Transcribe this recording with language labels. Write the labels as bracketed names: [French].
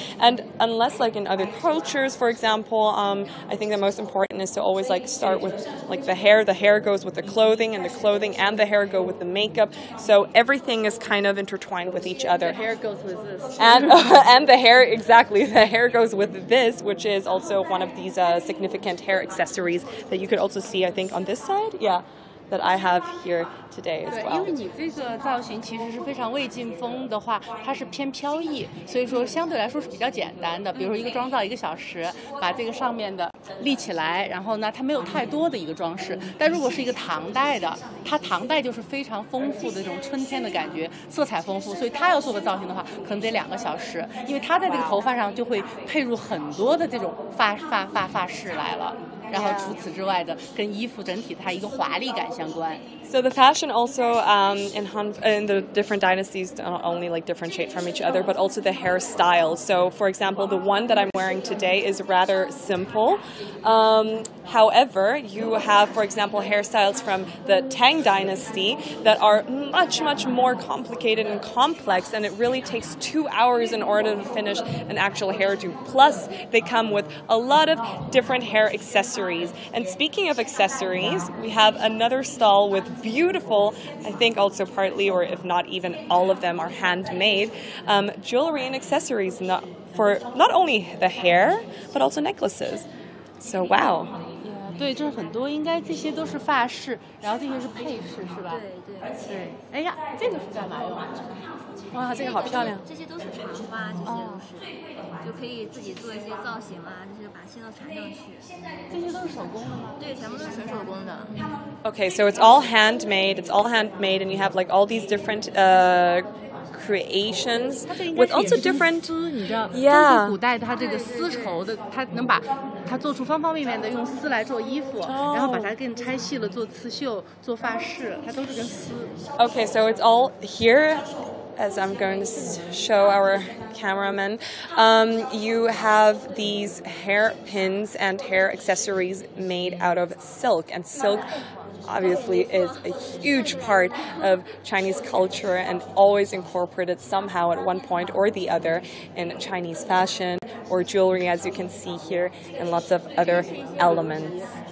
[English] And unless like in other cultures, for example, I think the most important is to always like start with like the hair goes with the clothing, and the clothing and the hair go with the makeup, so everything is kind of intertwined with each other. The hair goes with this. And the hair, exactly, the hair goes with this, which is also one of these significant hair accessories that you could also see, I think, on this side, yeah, that I have here today as well. [Chinese] 对，因为你这个造型其实是非常魏晋风的话，它是偏飘逸，所以说相对来说是比较简单的。比如说一个妆造一个小时，把这个上面的立起来，然后呢，它没有太多的一个装饰。但如果是一个唐代的，它唐代就是非常丰富的这种春天的感觉，色彩丰富，所以它要做个造型的话，可能得两个小时，因为它在这个头发上就会配入很多的这种发饰来了。然后除此之外的，跟衣服整体它一个华丽感相关。 [English] So the fashion also in the different dynasties not only like differentiate from each other, but also the hairstyle. So for example, the one that I'm wearing today is rather simple. However, you have, for example, hairstyles from the Tang Dynasty that are much, much more complicated and complex, and it really takes 2 hours in order to finish an actual hairdo. Plus, they come with a lot of different hair accessories. And speaking of accessories, we have another stall with beautiful, I think also partly or if not even all of them are handmade, jewelry and accessories not only the hair, but also necklaces. So, wow. [Chinese] 对，这很多，应该这些都是发饰，然后这些是配饰，是吧？对。哎呀，这个是干嘛用啊？哇，这个好漂亮。这些都是禅花，这些都是，就可以自己做一些造型啊，就是把线都缠上去。这些都是手工的吗？对，全部都是纯手工的。 [English] Okay, so it's all handmade. It's all handmade, and you have like all these different creations with also different. [Chinese] Yeah. 古代它这个丝绸的，它能把。他做出方方面面的，用丝来做衣服，然后把它给你拆细了做刺绣、做发饰，它都是跟丝。 [English] Okay, so it's all here. As I'm going to show our cameraman, you have these hair pins and hair accessories made out of silk, and silk. Obviously is a huge part of Chinese culture and always incorporated somehow at one point or the other in Chinese fashion or jewelry, as you can see here, and lots of other elements.